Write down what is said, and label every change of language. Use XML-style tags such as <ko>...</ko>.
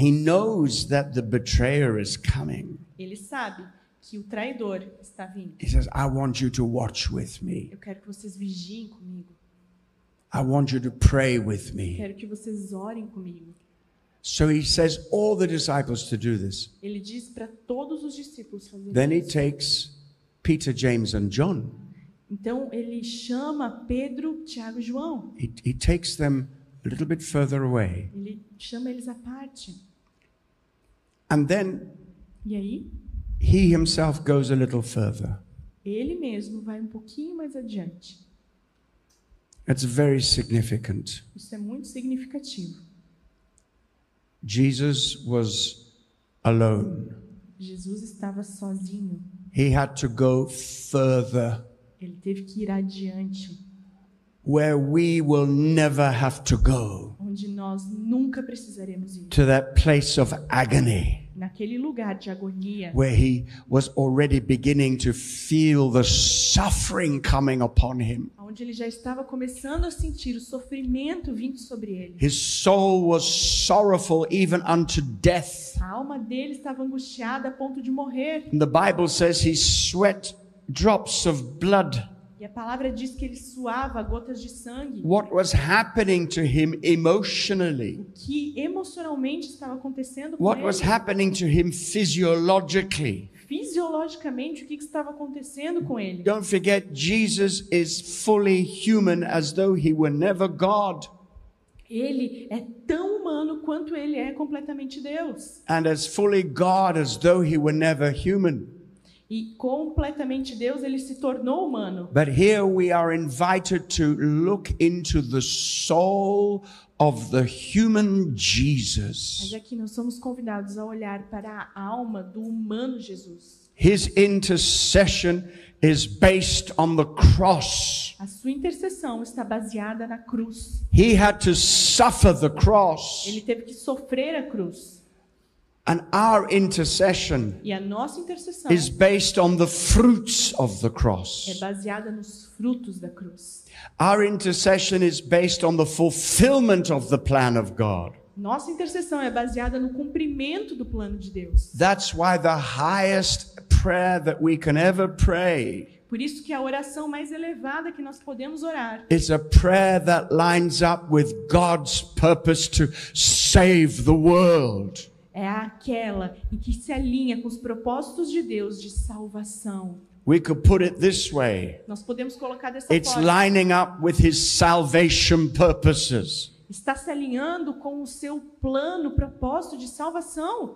<en>He knows that the betrayer is coming.</en> <pt>Ele sabe que o traidor está vindo.</pt> <en>He says, I want you to watch with me.</en> <pt>Eu quero que vocês vigiem comigo.</pt> <en>I want you to pray with me.</en> <pt>Quero que vocês orem comigo.</pt> <en>So he says all the disciples to do this.</en> <pt>Ele diz para todos os discípulos fazer isso.</pt> <en>Then he takes Peter, James and John.</en> <pt>Então ele chama Pedro, Tiago e João.</pt> <en>He takes them a little bit further away.</en> <pt>Ele chama eles à parte.</pt> <en>And then</en> <pt>e aí?</pt> <en>He himself goes a little further.</en> <pt>Ele mesmo vai um pouquinho mais adiante.</pt> <en>It's very significant.</en> <pt>Isso é muito significativo.</pt> <en>Jesus was alone.</en> <pt>Jesus estava sozinho.</pt> <en>He had to go further.</en> <pt>Ele teve que ir adiante.</pt> <en>Where we will never have to go.</en> <pt>Onde nós nunca precisaremos ir.</pt> <en>To that place of agony.</en> <pt>Naquele lugar de agonia.</pt> <en>Where he was already beginning to feel the suffering coming upon him.</en> <pt>Onde ele já estava começando a sentir o sofrimento vindo sobre ele.</pt> <en>His soul was sorrowful even unto death.</en> <pt>A alma dele estava angustiada a ponto de morrer.</pt> <en>And the Bible says he sweat drops of blood.</en> <pt>E a palavra diz que ele suava gotas de sangue.</pt> <en>What was happening to him emotionally?</en> <pt>O que emocionalmente estava acontecendo com</pt> <en>what</en> <pt>ele?</pt> <en>What was happening to him physiologically?</en> <pt>Fisiologicamente, o que estava acontecendo com ele?</pt> <en>Don't forget, Jesus is fully human as though he were never God.</en> <pt>Ele é tão humano quanto ele é completamente Deus.</pt> <en>And as fully God as though he were never human.</en> <pt>E completamente Deus, ele se tornou humano.</pt> <en>But here we are invited to look into the soul of the human Jesus.</en> <pt>Mas aqui nós somos convidados a olhar para a alma do humano Jesus.</pt> <en>His intercession is based on the cross.</en> <pt>A sua intercessão está baseada na cruz.</pt> <en>He had to suffer the cross.</en> <pt>Ele teve que sofrer a cruz.</pt> <en>And our intercession</en> <pt>e a nossa intercessão</pt> <en>is based on the fruits of the cross.</en> <pt>É baseada nos frutos da cruz.</pt> <en>Our intercession is based on the fulfillment of the plan of God.</en> <pt>Nossa intercessão é baseada no cumprimento do plano de Deus.</pt> <en>That's why the highest prayer that we can ever pray.</en> <pt>Por isso que a oração mais elevada que nós podemos orar.</pt> <en>It's a prayer that lines up with God's purpose to save the world.</en> <pt>É aquela em que se alinha com os propósitos de Deus de salvação.</pt> <en>We could put it this way.</en> <pt>Nós podemos colocar dessa forma.</pt> <en>It's lining up with his salvation purposes.</en> <pt>Está se alinhando com o seu plano, propósito de salvação.</pt>